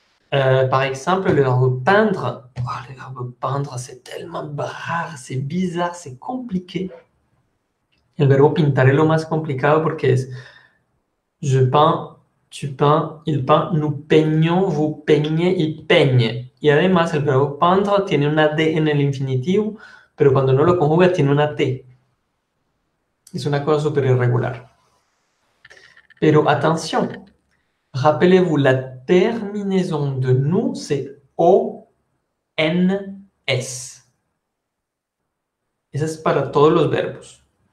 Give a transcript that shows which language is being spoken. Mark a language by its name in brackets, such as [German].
[French] Par exemple, le verbe peindre. Oh, le verbe peindre, c'est tellement rare, c'est bizarre, c'est compliqué. Le verbe pintar est le plus compliqué parce que je peins. Tu peins, il peint, nous peignons, vous peignez, il peigne. [Spanish] Et además, le verbe peindre tiene una D [French] en l'infinitif, [Spanish] pero cuando no lo conjuga, tiene una T. [French] C'est une [Spanish] cosa super irregular. Pero [French] attention, rappelez-vous, la terminaison de nous, c'est O-N-S. Et ça, c'est [Spanish] para todos los verbos.